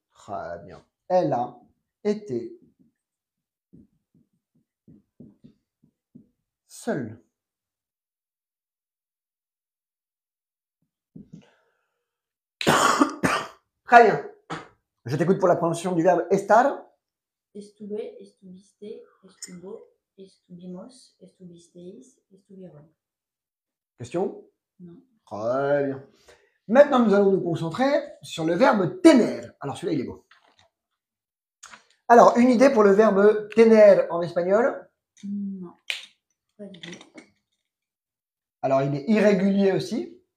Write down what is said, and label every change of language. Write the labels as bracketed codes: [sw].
[fr] Très bien. Elle a été seul. Très bien. Je t'écoute pour la prononciation du verbe estar. [es] Estuve, estuviste, estuvo, estuvimos, estuvisteis, estuvieron. [fr] Question ? Non. Très bien. Maintenant, nous allons nous concentrer sur le verbe tener. Alors, celui-là, il est beau. Alors, une idée pour le verbe tener en espagnol ? Non. Alors, il est irrégulier aussi.